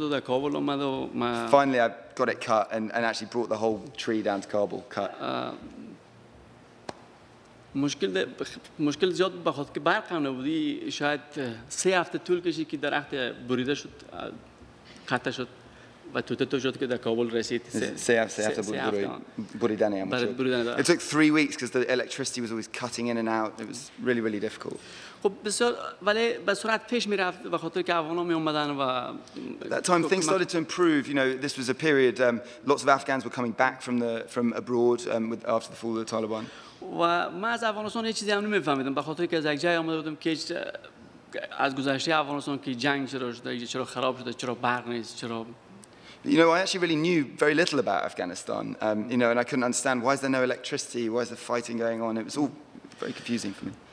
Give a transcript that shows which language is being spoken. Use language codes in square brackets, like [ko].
[en] Finally, I got it cut and actually brought the whole tree down to Kabul, cut. [fa] مشکل زیاد بخواد که برق هم نبودی، شاید 3 هفته طول کشید که درخت بریده شد، قطع شد و توته تو شد که در کابل رسید. 3 هفته بریدن هم شد. [en] It took 3 weeks because the electricity was always cutting in and out. It was really, really difficult. [fa] خب بسیار، ولی به صورت پیش می رفت و خاطر که افغان ها می اومدن و [en] That time things started to improve. You know, this was a period lots of Afghans were coming back from abroad after the fall of the Taliban. [fa] و من از افغانستان یه چیزی هم نمی فهمیدم به خاطر که از یک جایی آمده بودم که از گذشته افغانستان که جنگ چرا شده، چرا خراب شده، چرا برق نیست، چرا [en] You know, I actually really knew very little about Afghanistan. You know, and I couldn't understand why is there no electricity, why is the fighting going on. It was all very confusing for me.